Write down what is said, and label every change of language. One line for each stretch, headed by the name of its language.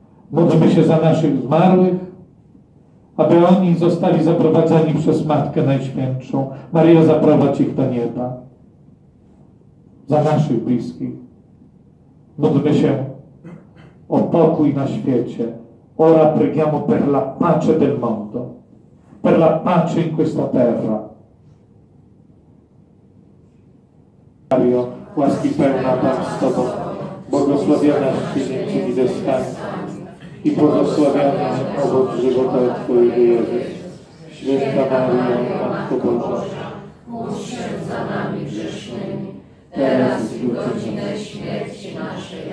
Polish: Módlmy się za naszych zmarłych, aby oni zostali zaprowadzeni przez Matkę Najświętszą. Maria, zaprowadź ich do nieba. Za naszych bliskich. Módlmy się o pokój na świecie.
Italian: Ora preghiamo per la pace del mondo. Per la pace in questa terra.
Polish: Mario, łaski pełna Pan z Tobą. Błogosławionaś między niewiastami. I błogosławiona owoc żywota Twojego Jezus. Święta Maria, Matko Boża. Módl się za nami grzesznymi. Teraz i w godzinę śmierci naszej.